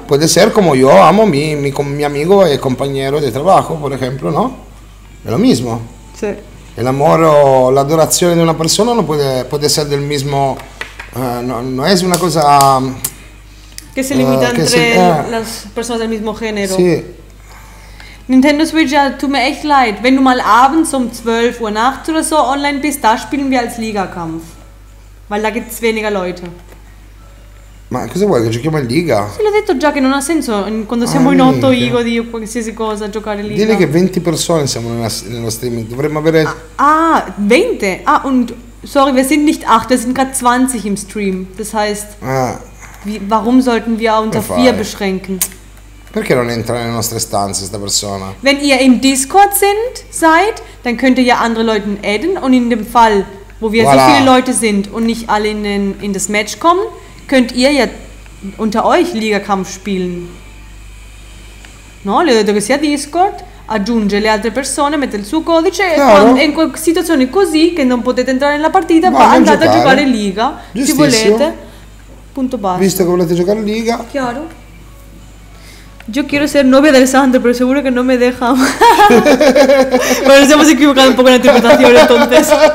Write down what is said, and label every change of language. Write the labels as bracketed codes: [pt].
[es] Puede ser como yo amo mi amigo y compañero de trabajo, por ejemplo, ¿no? Es lo mismo. Sí. El amor o la adoración de una persona no puede ser del mismo, no es una cosa... Que se limita entre las personas del mismo género. Sí. [de] Nintendo Switch, ja, tut mir echt leid. Wenn du mal abends um 12 Uhr nachts oder so online bist, da spielen wir als Ligakampf. Weil da gibt es weniger Leute. [it] Ma cosa vuoi? Che giochiamo in Liga? Sì, l'ho detto già che non ha senso. Quando siamo in 8 io di qualsiasi cosa giocare in Liga. [es] Dile che 20 persone siamo nello streaming. [it] Dovremmo avere... Ah, 20? [de] Ah, und sorry, wir sind nicht 8, wir sind gerade 20 im Stream. Das heißt... Warum sollten wir uns auf 4 beschränken? [it] Perché non entra nelle nostre stanze questa persona? [de] Wenn ihr im Discord seid, dann könnt ihr ja andere Leute adden und in dem Fall, wo wir [fr] voilà, [de] so viele Leute sind und nicht alle in das Match kommen, könnt ihr ja unter euch Ligakampf spielen. [it] No, le dovete sia Discord, aggiunge le altre persone, mette il suo codice [es] claro, [it] e in situazioni così che non potete entrare nella partita, ma andate giocare, a giocare Liga, se volete. Punto basta. Visto che volete giocare in Liga. Chiaro. [es] Io quiero ser novia di Alessandro, però sicuro che non me deja. Bueno, ci siamo equivocati un po' con la interpretazione, entonces.